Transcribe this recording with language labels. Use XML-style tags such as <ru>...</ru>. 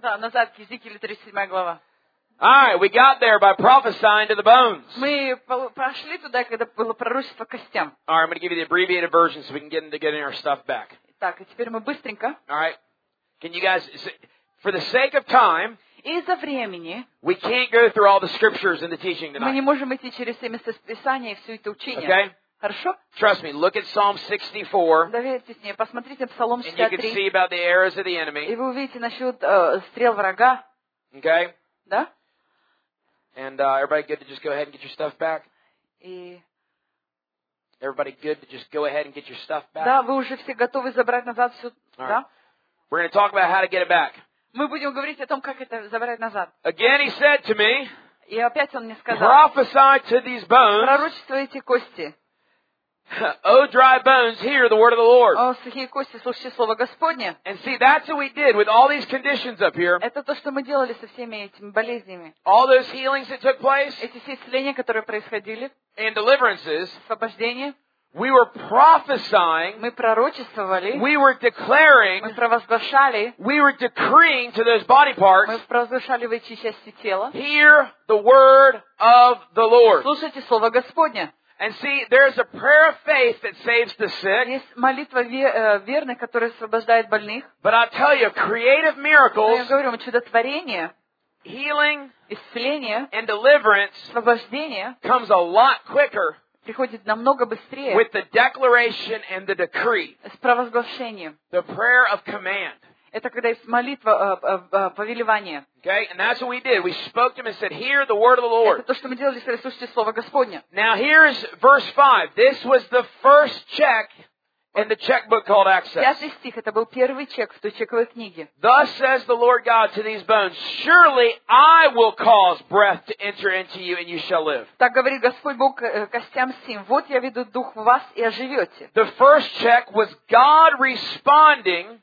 <ru>Да, назад к Езекиилу 37 глава.</ru> <en>All right, we got there by prophesying to the bones.</en> <ru>Мы прошли туда, когда было пророчество костям.</ru> <en>All right, I'm going to give you the abbreviated version so we can get our stuff back.</en> <ru>Так, и теперь мы быстренько.</ru> <en>All right. Can you guys for the sake of time,</en> <ru>из-за времени</ru> <en>we can't go through all the scriptures and the teaching tonight.</en> <ru>Мы не можем идти через все места Писания и все это учение.</ru> <en>Okay?</en> <ru>Хорошо?</ru> <en>Trust me, look at Psalm 64.</en> <ru>Доверьтесь мне, посмотрите Псалом 63.</ru> <en>And you can see about the arrows of the enemy.</en> <ru>И вы увидите насчет стрел врага.</ru> <en>Okay?</en> <ru>Да?</ru> <en>And everybody good to just go ahead and get your stuff back?</en> <ru>И...</ru> <en>Everybody good to just go ahead and get your stuff back?</en> <ru>Да, вы уже все готовы забрать назад все.</ru> <en>Right.</en> <ru>Да?</ru> <en>We're going to talk about how to get it back.</en> <ru>Мы будем говорить о том, как это забрать назад.</ru> <en>Again he said to me,</en> <ru>и опять он мне сказал,</ru> <en>prophesy to these bones,</en> <ru>пророчествуй эти кости.</ru> <en>Oh, dry bones, hear the word of the Lord.</en> <ru>О, сухие кости, слушайте слово Господне.</ru> <en>And see, that's what we did with all these conditions up here.</en> <ru>Это то, что мы делали со всеми этими болезнями.</ru> <en>All those healings that took place.</en> <ru>Эти все исцеления, которые происходили.</ru> <en>And deliverances.</en> <ru>Освобождение.</ru> <en>We were prophesying.</en> <ru>Мы пророчествовали.</ru> <en>We were declaring.</en> <ru>Мы провозглашали.</ru> <en>We were decreeing to those body parts.</en> <ru>Мы провозглашали в эти части тела.</ru> <en>Hear the word of the Lord.</en> <ru>Слушайте слово Господне.</ru> <en>And see, there is a prayer of faith that saves the sick.</en> <ru>Есть молитва верной, которая освобождает больных.</ru> <en>But I tell you, creative miracles.</en> <ru>Я говорю вам, чудотворение.</ru> <en>Healing.</en> <ru>Исцеление.</ru> <en>And deliverance.</en> <ru>Освобождение.</ru> <en>Comes a lot quicker.</en> <ru>Приходит намного быстрее.</ru> <en>With the declaration and the decree.</en> <ru>С провозглашением.</ru> <en>The prayer of command.</en> <ru>Это когда есть молитва повелевания.</ru> <en>Okay, and that's what we did. We spoke to him and said, "Hear the word of the Lord."</en> <ru>Это то, что мы делали, сказали, слушайте слово Господне.</ru> <en>Now here is verse 5. This was the first check in the checkbook called access.</en> <ru>Пятый стих. Это был первый чек в той чековой книге.</ru> <en>Thus says the Lord God to these bones: Surely I will cause breath to enter into you, and you shall live.</en> <ru>Так говорит Господь Бог костям сим. Вот я веду дух в вас и оживете.</ru> <en>The first check was God responding.</en>